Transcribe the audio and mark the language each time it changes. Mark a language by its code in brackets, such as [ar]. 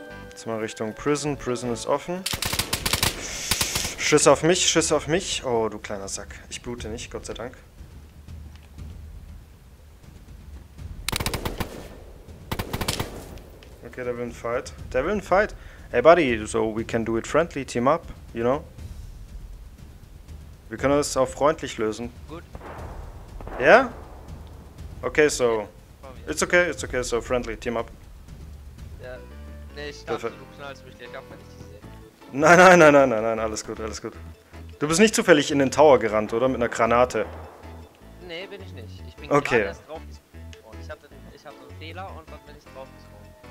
[de] Jetzt mal Richtung Prison. Prison ist offen. Schüsse auf mich, Schüsse auf mich. Oh, du kleiner Sack. Ich blute nicht, Gott sei Dank. Okay, der will einen Fight. Der will einen Fight. [en] Hey buddy, so we can do it friendly, team up, you know? [de] Wir können das auch freundlich lösen. [en] Ja? Yeah? Okay, so. It's okay, so friendly, team up. [de] Ja, nee, ich dachte, du knallst mich, der darf man nicht sehen. Nein, nein, nein, nein, nein, nein, alles gut, alles gut. Du bist nicht zufällig in den Tower gerannt, oder? Mit einer Granate. Nee, bin ich nicht. Ich bin okay. Gerade erst draufgesprungen. Ich hatte einen Fehler und dann bin ich draufgesprungen.